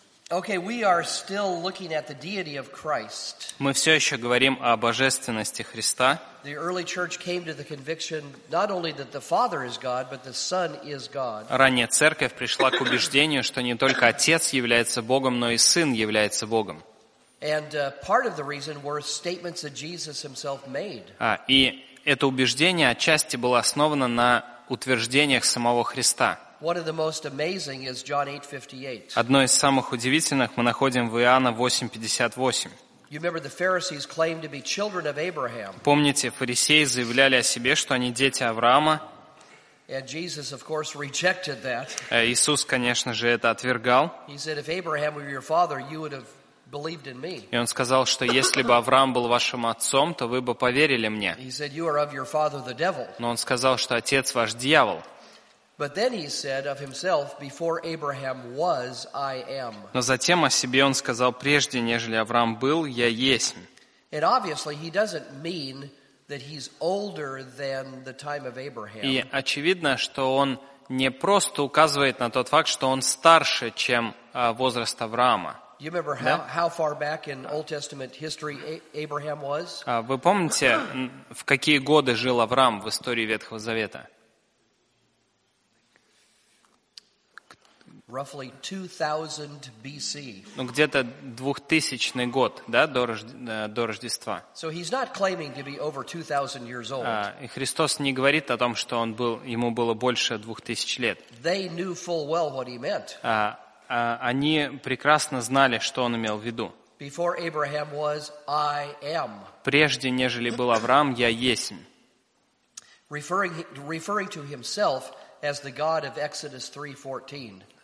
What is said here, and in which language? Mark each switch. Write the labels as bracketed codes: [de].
[en] Okay, we are still looking at the deity of Christ. [ru] Мы все еще говорим о божественности Христа. [en] The early church came to the conviction not only that the Father is God, but the Son is God. [ru] Ранняя церковь пришла к убеждению, что не только Отец является Богом, но и Сын является Богом. [en] And part of the reason were statements that Jesus himself made. [ru] И это убеждение отчасти было основано на утверждениях самого Христа. [en] One of the most amazing is John 8:58. [ru] Одно из самых удивительных мы находим в Иоанна 8:58. [en] You remember the Pharisees claimed to be children of Abraham. [ru] Помните, фарисеи заявляли о себе, что они дети Авраама. [en] And Jesus, of course, rejected that. [ru] Иисус, конечно же, это отвергал. [en] He said, if Abraham were your father, you would have believed in me. [ru] И он сказал, что если бы Авраам был вашим отцом, то вы бы поверили мне. [en] He said, you are of your father, the devil. [ru] Но он сказал, что отец ваш дьявол. [en] But then he said of himself, before Abraham was, I am. [ru] Но затем о себе он сказал, прежде, нежели Авраам был, я есмь. [en] And obviously he doesn't mean that he's older than the time of Abraham. [ru] И очевидно, что он не просто указывает на тот факт, что он старше, чем возраст Авраама. [en] You remember how far back in Old Testament history Abraham was? [ru] Вы помните, в какие годы жил Авраам в истории Ветхого Завета? [en] Roughly 2000 BC. [ru] Ну где-то 2000 год, да, до Рождества. [en] So he's not claiming to be over 2000 years old. [ru] И Христос не говорит о том, что он был, ему было больше 2000 лет. [en] They knew full well what he meant. [ru] Они прекрасно знали, что он имел в виду. [en] Before Abraham was, I am. [ru] Прежде, нежели был Авраам, я есмь. [en] Referring to himself as the God of Exodus 3:14.